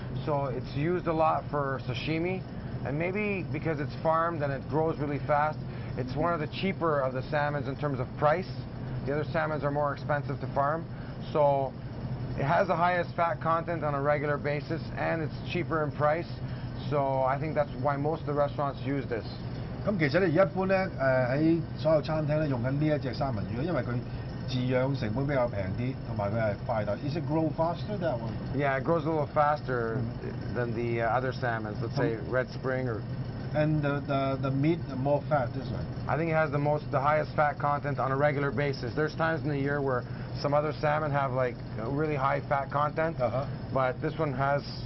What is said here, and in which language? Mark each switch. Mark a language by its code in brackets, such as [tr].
[en] So it's used a lot for sashimi. And maybe because it's farmed and it grows really fast, it's one of the cheaper of the salmons in terms of price. The other salmons are more expensive to farm. So it has the highest fat content on a regular basis and it's cheaper in price. So I think that's why most of the restaurants use this. [yue] 咁其實咧，而一般咧，喺所有餐廳咧用緊呢一隻三文魚，因為佢飼養成本比較平啲，同埋佢係快啲。 [en] Is it grow faster that one? Yeah, it grows a little faster than the other salmons. Let's say red spring or. And the meat more fat, this one. I think it has the highest fat content on a regular basis. There's times in the year where some other salmon have like really high fat content, but this one has.